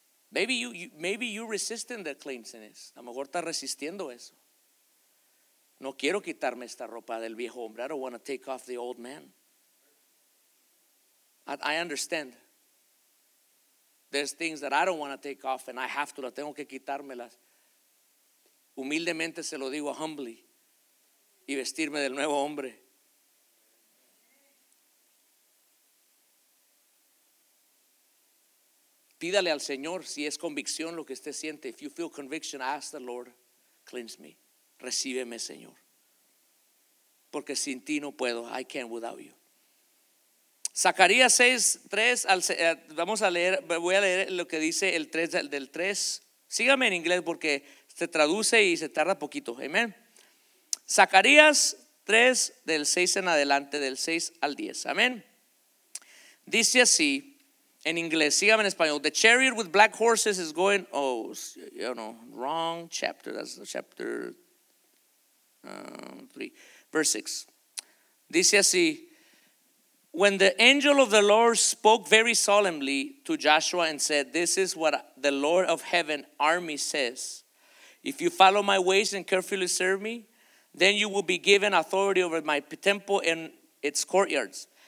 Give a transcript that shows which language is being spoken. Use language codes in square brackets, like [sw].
[en] Maybe you resisting the cleanliness. [es] A lo mejor estás resistiendo eso. No quiero quitarme esta ropa del viejo hombre. [en] I don't want to take off the old man. I understand. There's things that I don't want to take off and I have to. [es] La tengo que quitármelas. Humildemente se lo digo, [en] humbly. [es] Y vestirme del nuevo hombre. Pídale al Señor si es convicción lo que usted siente. [en] If you feel conviction, ask the Lord, cleanse me. [es] Recíbeme, Señor. Porque sin ti no puedo. [en] I can't without you. [es] Zacarías 6:3. Vamos a leer. Voy a leer lo que dice el 3 del 3. Sígame en inglés porque se traduce y se tarda poquito. Amén. Zacarías 3 del 6 en adelante, del 6 al 10. Amén. Dice así en inglés. Sígame en español. [en] The chariot with black horses is going. Oh, you know, wrong chapter. That's the chapter 3. Verse 6, [es] dice así, [en] when the angel of the Lord spoke very solemnly to Joshua and said, this is what the Lord of heaven army says, if you follow my ways and carefully serve me, then you will be given authority over my temple and its courtyards.